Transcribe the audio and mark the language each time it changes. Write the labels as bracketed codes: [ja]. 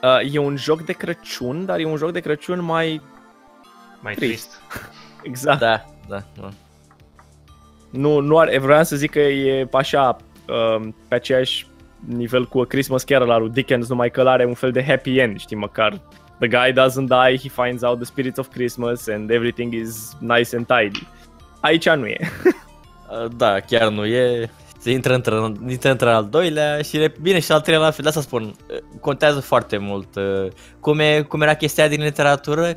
[ro] E un joc de Crăciun, dar e un joc de Crăciun mai... mai trist. Exact. Da, da. Nu, nu are, vreau să zic că e așa, pe aceeași nivel cu A Christmas Carol al lui Dickens, numai că are un fel de happy end, știi, măcar... [en] The guy doesn't die, he finds out the spirit of Christmas and everything is nice and tidy. [ro] Aici nu e. Da, chiar nu e. Se intră într-un al doilea și bine, și al treilea la fel. Asta spun, contează foarte mult. Cum era chestia din literatură?